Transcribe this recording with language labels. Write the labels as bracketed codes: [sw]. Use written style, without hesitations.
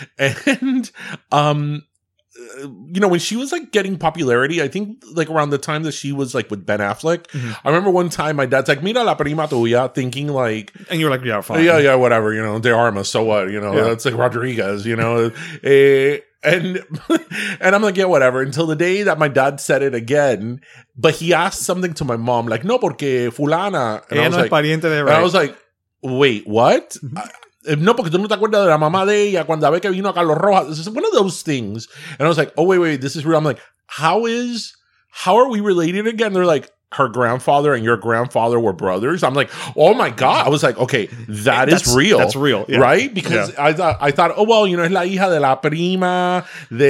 [en] And you know, when she was like getting popularity, I think like around the time that she was like with Ben Affleck, I remember one time my dad's like, [es] mira la prima tuya, [en] thinking like, and you're like, yeah, fine. Yeah, yeah, whatever, you know, De Armas, so what, you know, yeah. That's like Rodriguez, you know, and I'm like, yeah, whatever, until the day that my dad said it again, but he asked something to my mom, like, [es] no, porque fulana, [en] and, I, was like, [es] pariente de, [en] right. And I was like, wait, what? [es] No, porque tú no te acuerdas de la mamá de ella cuando ve que vino a Carlos Rojas. [en] This is one of those things. And I was like, oh, wait, wait, this is real. I'm like, how are we related again? They're like, her grandfather and your grandfather were brothers. I'm like, oh my God. I was like, okay, that's real. That's real. Yeah. Right? Because yeah. I thought, oh, well, you know, [es] es la hija de la prima, de